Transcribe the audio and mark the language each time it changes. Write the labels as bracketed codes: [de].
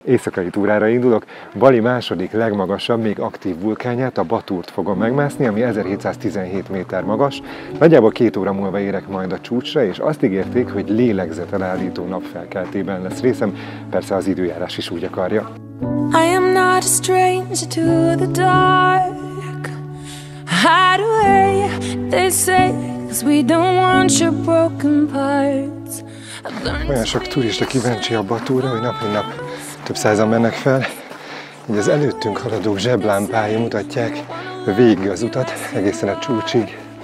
[hu] Éjszakai túrára indulok. Bali második legmagasabb, még aktív vulkánját, a Baturt fogom megmászni, ami 1717 méter magas. Nagyjából 2 óra múlva érek majd a csúcsra, és azt ígérték, hogy lélegzetelállító napfelkeltében lesz részem. Persze az időjárás is úgy akarja. [en] I am not a stranger to the dark. Hide away, they say, 'cause we don't want your broken parts. [hu] Olyan sok turista kíváncsi a Baturra, hogy nap mint nap több százan mennek fel. Így az előttünk haladó zseblámpái mutatják végig az utat, egészen a csúcsig.